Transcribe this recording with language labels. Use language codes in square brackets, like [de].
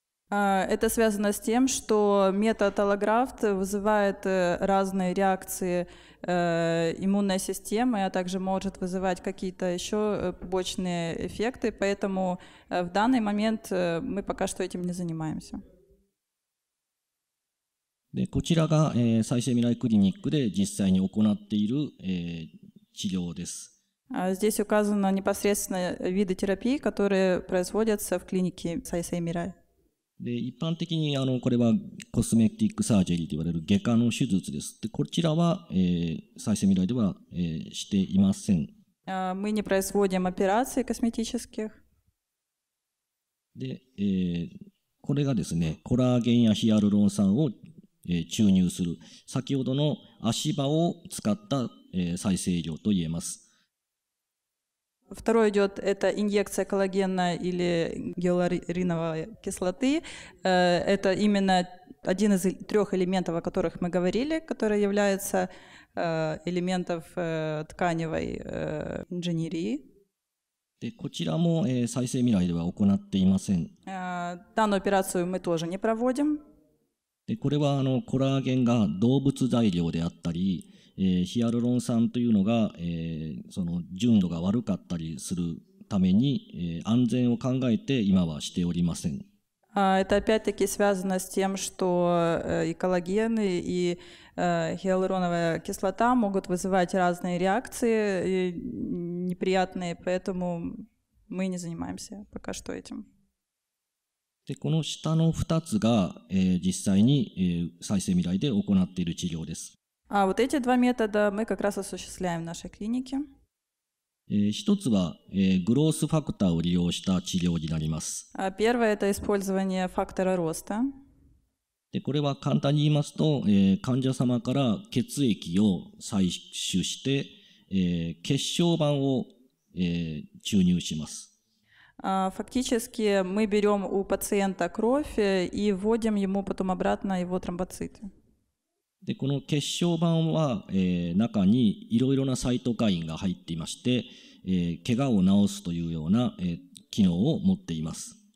[ru] Это связано с тем, что метод аллографт вызывает разные реакции иммунной системы, а также может вызывать какие-то еще побочные эффекты, поэтому в данный момент мы пока что этим не занимаемся. [ja] で、こちらが、再生未来クリニックで実際に行っている、治療です。 [ru] Здесь указано непосредственно виды терапии, которые производятся в клинике Сайсей Мирай. [ja] で、一般的にこれはコスメティックサージェリーと言われる外科の手術です。で、こちらは、再生未来では、していません。 [ru] Мы не производим операции косметических. [ja] で、これがですね、コラーゲンやヒアルロン酸を注入する先ほどの足場を使った再生医療と言えます。 [ru] Второй идет это инъекция коллагена или гиалуроновой кислоты. Это именно один из трех элементов, о которых мы говорили, который является элементом тканевой инженерии. [ja] で、こちらも再生未来では行っていません。 [ru] Данную операцию мы тоже не проводим. [ja] で、これはコラーゲンが動物材料であったり、ヒアルロン酸というのが、その純度が悪かったりするために、安全を考えて今はしておりません。 [ru] Это опять-таки связано с тем, что и коллагены, и гиалуроновая кислота могут вызывать разные реакции неприятные, поэтому мы не занимаемся пока что этим. [ja] で、この下の2つが、実際に、再生未来で行っている治療です。 [ru] А вот эти два метода мы как раз осуществляем в нашей клинике. [ja] 一つは、グロースファクターを利用した治療になります。 [ru] Первое это использование фактора роста. [ja] で、これは簡単に言いますと、患者様から血液を採取して、血小板を、注入します。 [ru] Фактически мы берем у пациента кровь и вводим ему потом обратно его тромбоциты. [ja] で、この血小板は、中にいろいろなサイトカインが入っていまして、怪我を治すというような、機能を持っています。